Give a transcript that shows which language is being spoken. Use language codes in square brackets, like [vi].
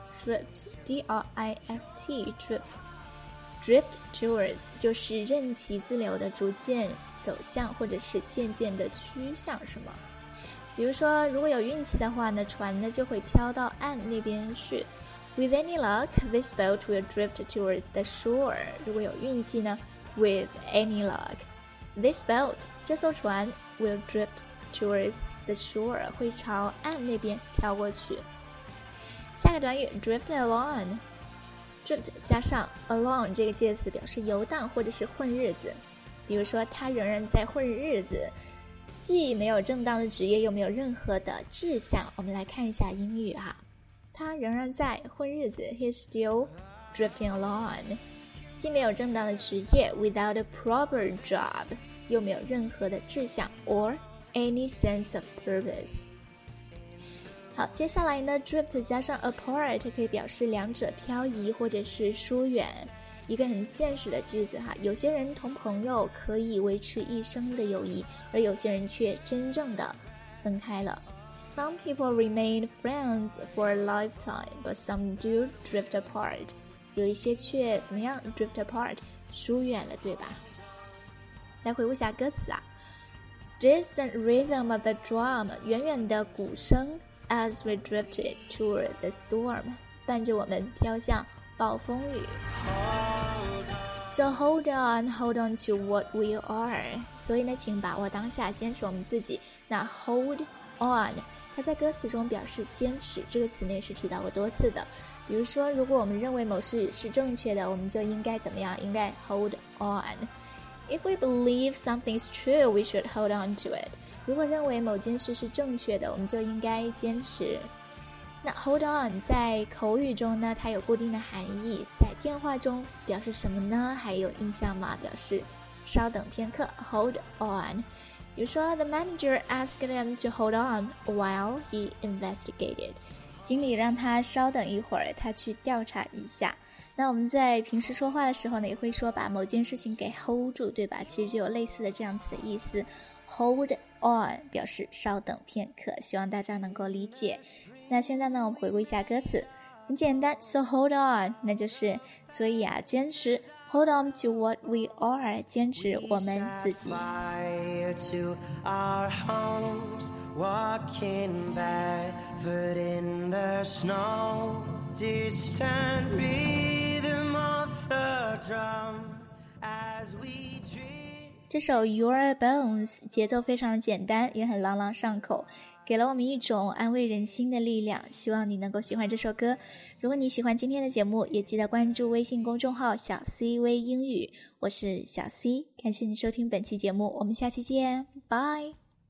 [en] Drift, D-R-I-F-T, drift. [zh] Drift towards 就是任其自流的逐渐走向或者是渐渐的趋向什么。比如说如果有运气的话呢，船呢就会飘到岸那边去。 [en] With any luck, this boat will drift towards the shore. [zh] 如果有运气呢， [en] With any luck, this boat, [zh] 这艘船 [en] will drift towards the shore, [zh] 会朝岸那边飘过去。下个短语 drift along， drift 加上 along 这个介词表示游荡或者是混日子，比如说他仍然在混日子，既没有正当的职业又没有任何的志向。我们来看一下英语哈，他仍然在混日子， [en] he's still drifting along， [zh] 既没有正当的职业 [en] without a proper job， [zh] 又没有任何的志向 [en] or any sense of purpose。 [zh] 好，接下来呢 drift 加上 apart 可以表示两者漂移或者是疏远，一个很现实的句子哈，有些人同朋友可以维持一生的友谊，而有些人却真正的分开了。 [en] Some people remain friends for a lifetime, but some do drift apart. [zh] 有一些却怎么样 drift apart, 疏远了对吧。来回顾一下歌词啊， [en] Distant rhythm of the drum, [zh] 远远的鼓声， [en] As we drifted toward the storm, [zh] 伴着我们飘向暴风雨。 [en] So hold on, hold on to what we are. [zh] 所以呢，请把握当下，坚持我们自己。那 hold on, 它在歌词中表示坚持，这个词呢是提到过多次的。比如说，如果我们认为某事是正确的，我们就应该怎么样？应该 hold on. [en] If we believe something is true, we should hold on to it. [zh] 如果认为某件事是正确的，我们就应该坚持。那 hold on 在口语中呢，它有固定的含义，在电话中表示什么呢？还有印象吗？表示稍等片刻 hold on。比如说 [en] the manager asked him to hold on while he investigated， [zh] 经理让他稍等一会儿，他去调查一下。那我们在平时说话的时候呢，也会说把某件事情给 hold 住对吧，其实就有类似的这样子的意思， hold on 表示稍等片刻，希望大家能够理解。那现在呢，我们回顾一下歌词，很简单， So hold on， 那就是所以啊，坚持 [en] Hold on to what we are， [zh] 坚持我们自己。 [en] We set fire to our homes， Walking barefoot in the snow， Distant rhythm of the drum as we dream。 [zh] 这首 Your Bones 节奏非常简单，也很朗朗上口，给了我们一种安慰人心的力量，希望你能够喜欢这首歌。如果你喜欢今天的节目，也记得关注微信公众号小 C 微英语，我是小 C， 感谢你收听本期节目，我们下期见，拜。